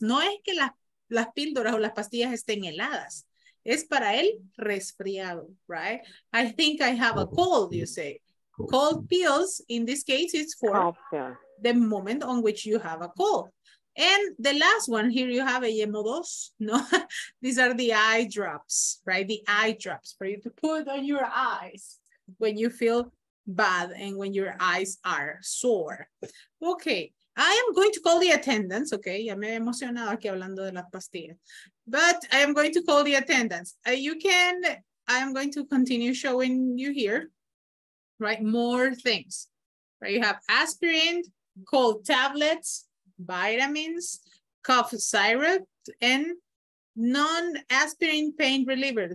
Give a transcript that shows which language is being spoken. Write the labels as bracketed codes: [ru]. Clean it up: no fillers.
[es] No es que las píldoras o las pastillas estén heladas. Es para el resfriado, right? [en] I think I have a cold, you say. Cold pills, in this case, it's for the moment on which you have a cold. And the last one, here you have a yemo dos, no? These are the eye drops, right? The eye drops for you to put on your eyes when you feel bad and when your eyes are sore. Okay, I am going to call the attendance, okay? [es] Ya me he emocionado aquí hablando de las pastillas. [en] But I am going to call the attendance. I am going to continue showing you here, right? More things, right? You have aspirin, cold tablets, vitamins, cough syrup, and non-aspirin pain reliever.